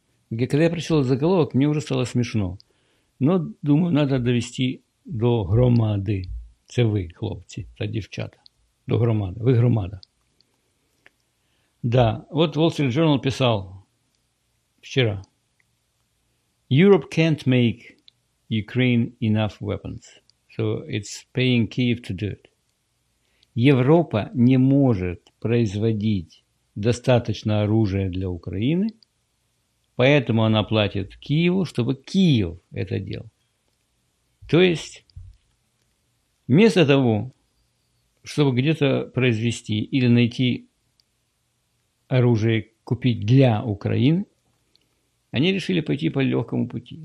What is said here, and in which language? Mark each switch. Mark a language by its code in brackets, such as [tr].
[ru] Когда я прочитал заголовок, мне уже стало смешно. Но, думаю, надо довести до громады. [uk] Це ви, хлопці та дівчата. До громади. Ви громада. [ru] Да, вот Wall Street Journal писал вчера. [en] Europe can't make Ukraine enough weapons. So it's paying Kyiv to do it. [ru] Европа не может производить достаточно оружия для Украины, поэтому она платит Киеву, чтобы Киев это делал. То есть, вместо того, чтобы где-то произвести или найти оружие, купить для Украины, они решили пойти по легкому пути.